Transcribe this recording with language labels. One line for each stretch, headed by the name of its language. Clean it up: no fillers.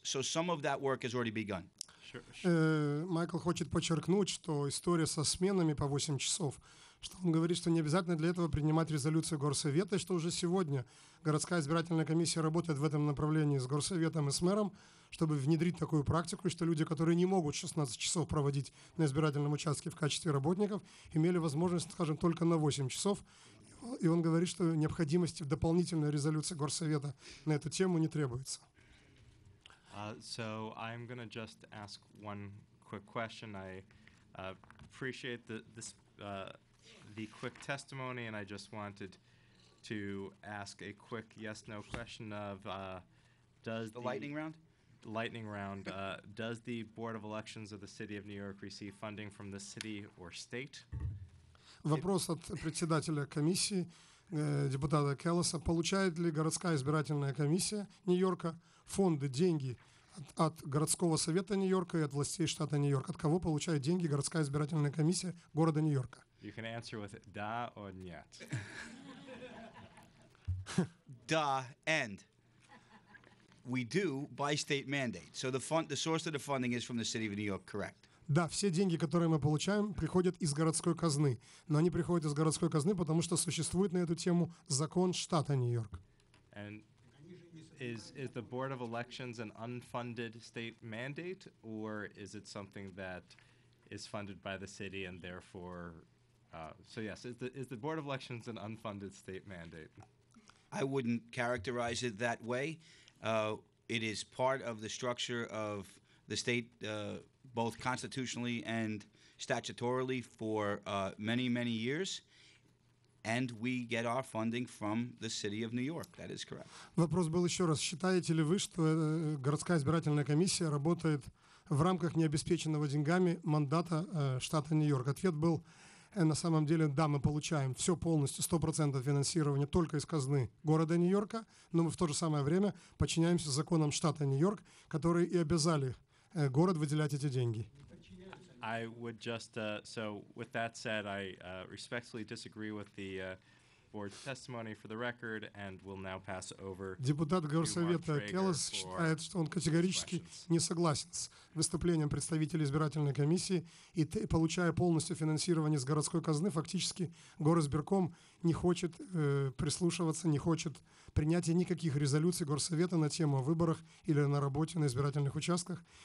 English: So some of that work has already begun.
Russian: Майкл хочет подчеркнуть, что история со сменами по 8 часов, что он говорит, что не обязательно для этого принимать резолюцию горсовета, что уже сегодня городская избирательная комиссия работает в этом направлении с горсоветом и с мэром, чтобы внедрить такую практику, что люди, которые не могут 16 часов проводить на избирательном участке в качестве работников, имели возможность, скажем, только на 8 часов. И он говорит, что необходимости в дополнительной резолюции горсовета на эту тему не требуется.
English: So I'm going to just ask one quick question. I appreciate the quick testimony, and I just wanted to ask a quick yes-no question of does the lightning round? Lightning round. Does the Board of Elections of the City of New York receive funding from the city or state?
Russian: Вопрос от председателя комиссии, депутата Келлоса. Получает ли городская избирательная комиссия Нью-Йорка фонды, деньги от городского совета Нью-Йорка и от властей штата Нью-Йорк? От кого получает деньги городская избирательная комиссия города Нью-Йорка?
English: You can answer with
Russian: да
English: or
Russian: нет.
English: duh, end. We do by state mandate. So the source of the funding is from the city of New York, correct?
Russian: Да, все деньги, которые мы получаем, приходят из городской казны. Но они приходят из городской казны, потому что существует на эту тему закон штата Нью-Йорк.
English: And is the Board of Elections an unfunded state mandate, or is it something that is funded by the city and therefore... So yes, is the Board of Elections an unfunded state mandate? I wouldn't characterize it that way. It is part of the structure of the state... both constitutionally and statutorily for many, many years, and we get our funding from the city of New York. That is correct.
Russian: Вопрос был еще раз. Считаете ли вы, что городская избирательная комиссия работает в рамках необеспеченного деньгами мандата штата Нью-Йорк? Ответ был, на самом деле, да, мы получаем все полностью, 100% финансирования только из казны города Нью-Йорка, но мы в то же самое время подчиняемся законам штата Нью-Йорк, которые и обязали город выделять эти деньги.
English: I would just so with that said, I respectfully disagree with the board's testimony for the record, and will now pass over.
Russian: Депутат горсовета Келлос считает, что он категорически не согласен с выступлением представителя избирательной комиссии, и получая полностью финансирование из городской казны, фактически горосбирком не хочет прислушиваться, не хочет принятия никаких резолюций горсовета на тему о выборах или на работе на избирательных участках.